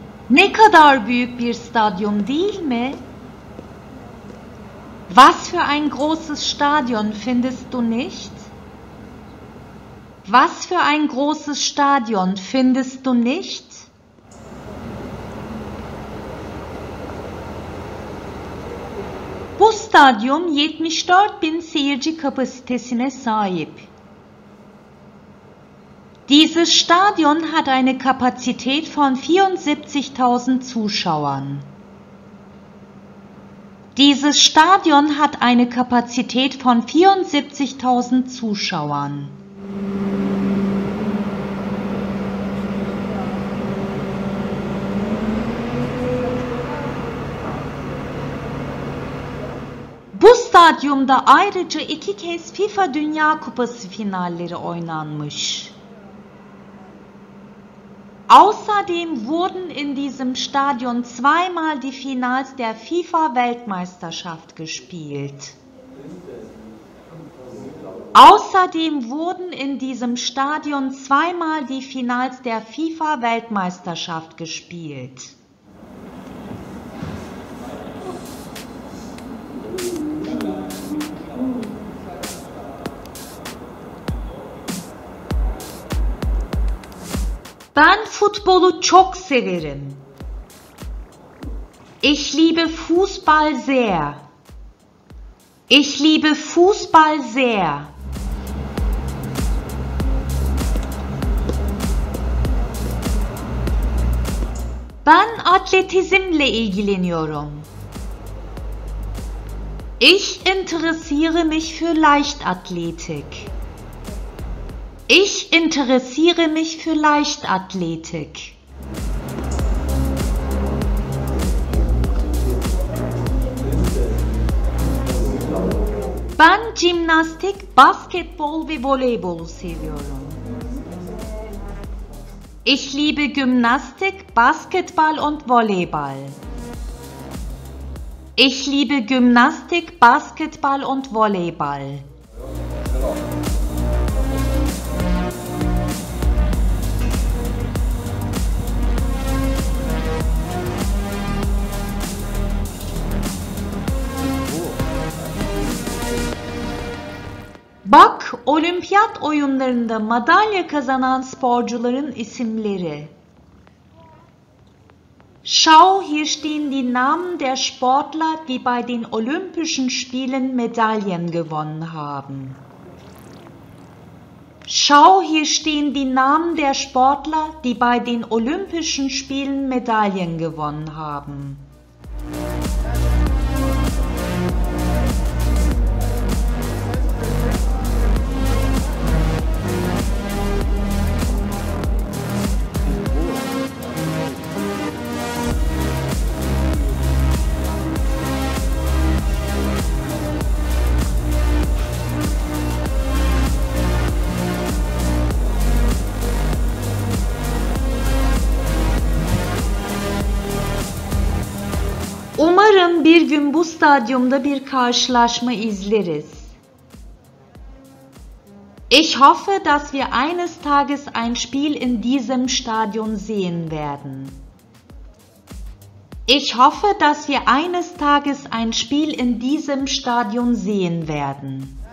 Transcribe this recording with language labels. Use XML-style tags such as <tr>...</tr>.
<tr>Ne kadar büyük bir stadyum değil mi?</tr> <de>Was für ein großes Stadion, findest du nicht? Was für ein großes Stadion, findest du nicht?</de> <tr>Bu stadyum 74.000 seyirci kapasitesine sahip.</tr> <de>Dieses Stadion hat eine Kapazität von 74.000 Zuschauern. Dieses Stadion hat eine Kapazität von 74.000 Zuschauern.</de> <tr>Bu stadyumda ayrıca iki kez FIFA Dünya Kupası finalleri oynanmış.</tr> <de>Außerdem wurden in diesem Stadion zweimal die Finals der FIFA-Weltmeisterschaft gespielt. Außerdem wurden in diesem Stadion zweimal die Finals der FIFA-Weltmeisterschaft gespielt.</de> <tr>Ben futbolu çok severim.</tr> <de>Ich liebe Fußball sehr. Ich liebe Fußball sehr.</de> <tr>Ben atletizmle ilgileniyorum.</tr> <de>Ich interessiere mich für Leichtathletik. Ich interessiere mich für Leichtathletik.</de> <tr>Ben</tr> <de>Gymnastik, Basketball</de> <tr>ve Voleybolu seviyorum.</tr> <de>Ich liebe Gymnastik, Basketball und Volleyball. Ich liebe Gymnastik, Basketball und Volleyball.</de> <tr>Bak, Olimpiyat oyunlarında madalya kazanan sporcuların isimleri.</tr> <de>Schau, hier stehen die Namen der Sportler, die bei den Olympischen Spielen Medaillen gewonnen haben. Schau, hier stehen die Namen der Sportler, die bei den Olympischen Spielen Medaillen gewonnen haben.</de> <tr>Umarım bir gün bu stadyumda bir karşılaşma izleriz.</tr> <de>Ich hoffe, dass wir eines Tages ein Spiel in diesem Stadion sehen werden. Ich hoffe, dass wir eines Tages ein Spiel in diesem Stadion sehen werden.</de>